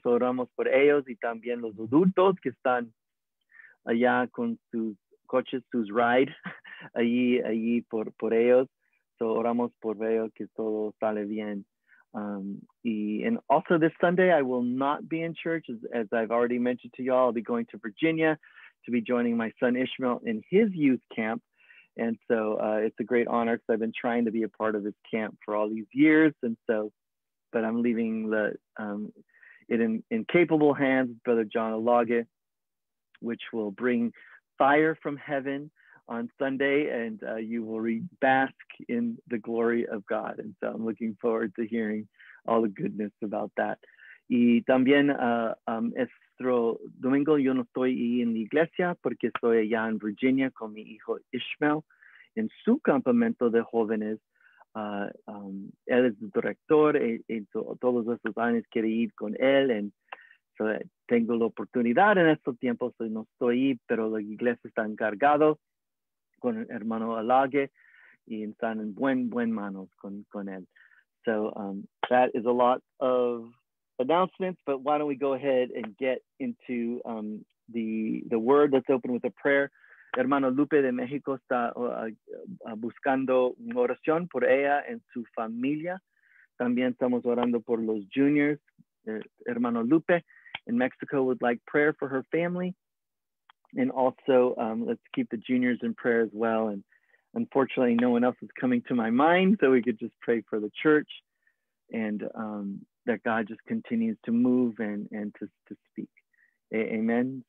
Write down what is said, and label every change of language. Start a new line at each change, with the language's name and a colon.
Spanish: So oramos por ellos y también los adultos que están allá con sus coches, sus ride allí por ellos. So oramos por ellos que todo sale bien.
English: And also this Sunday, I will not be in church. As I've already mentioned to y'all, I'll be going to Virginia to be joining my son Ishmael in his youth camp. And so it's a great honor because I've been trying to be a part of this camp for all these years. And so, but I'm leaving it in capable hands, Brother John Alaga, which will bring fire from heaven on Sunday, and you will bask in the glory of God. And so I'm looking forward to hearing all the goodness about that.
Spanish: Y también nuestro domingo yo no estoy en la iglesia porque estoy allá en Virginia con mi hijo Ishmael en su campamento de jóvenes. Él es el director y todos esos años quiere ir con él. And so tengo la oportunidad en estos tiempos, so no estoy ahí, pero la iglesia está encargado con el hermano Alague y están en buen manos con él.
English: So that is a lot of announcements, but why don't we go ahead and get into the word. Let's open with a prayer.
Spanish: Hermano Lupe de México está buscando una oración por ella en su familia. También estamos orando por los juniors.
English: Hermano Lupe in Mexico would like prayer for her family. And also, let's keep the juniors in prayer as well. And unfortunately, no one else is coming to my mind, so we could just pray for the church and that God just continues to move and to speak. Amen.